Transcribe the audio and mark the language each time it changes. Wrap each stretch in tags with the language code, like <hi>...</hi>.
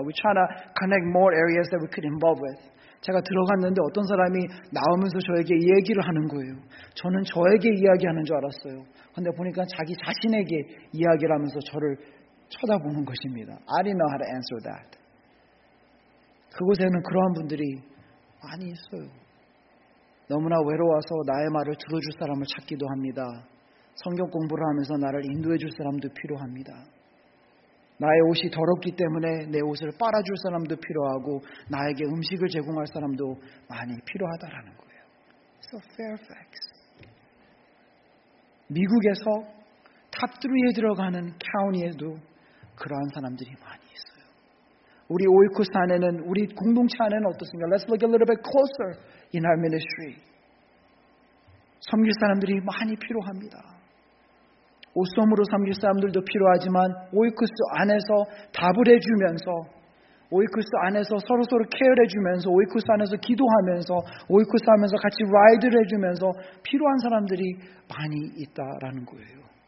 <en>We try to connect more areas that we could involve with.</en> <ko>제가 들어갔는데 어떤 사람이 나오면서 저에게 얘기를 하는 거예요. 저는 저에게 이야기하는 줄 알았어요. 근데 보니까 자기 자신에게 이야기를 하면서 저를 쳐다보는 것입니다.</ko> <en>I didn't know how to answer that.</en> <ko>그곳에는 그러한 분들이 많이 있어요. 너무나 외로워서 나의 말을 들어줄 사람을 찾기도 합니다. 성경 공부를 하면서 나를 인도해 줄 사람도 필요합니다. 나의 옷이 더럽기 때문에 내 옷을 빨아줄 사람도 필요하고 나에게 음식을 제공할 사람도 많이 필요하다라는 거예요.</ko> <en>So Fairfax.</en> <ko>미국에서 탑3에 들어가는 카운티에도 그러한 사람들이 많이 있어요. 우리 오이코스 안에는 우리 공동체 안에는 어떻습니까?</ko> <en>Let's look a little bit closer in our ministry.</en> <ko>섬길 사람들이 많이 필요합니다. 옷소음으로 섬길 사람들도 필요하지만 오이쿠스 안에서 답을 해주면서 오이쿠스 안에서 서로서로 케어를 해주면서 오이쿠스 안에서 기도하면서 오이쿠스 하면서 같이 라이드를 해주면서 필요한 사람들이 많이 있다라는 거예요.</ko>